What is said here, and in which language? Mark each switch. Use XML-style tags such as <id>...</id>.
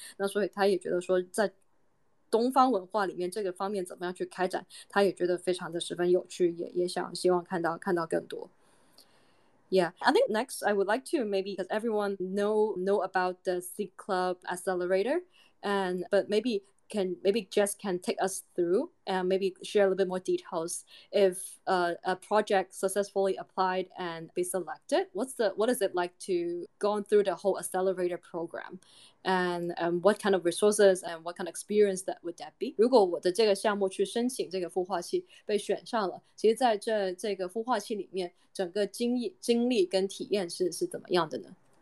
<zh>那所以他也觉得说，在东方文化里面这个方面怎么样去开展，他也觉得非常的十分有趣，也想希望看到更多。</zh> <en>Yeah, I think next I would like to maybe because everyone know about the C Club Accelerator, and but maybe can maybe Jess can take us through and maybe share a little bit more details. If a project successfully applied and be selected, what is it like to go through the whole accelerator program, and what kind of resources and what kind of experience that would that be?</en> <zh>如果我的这个项目去申请这个孵化器被选上了，其实在这个孵化器里面，整个经历跟体验是怎么样的呢？</zh>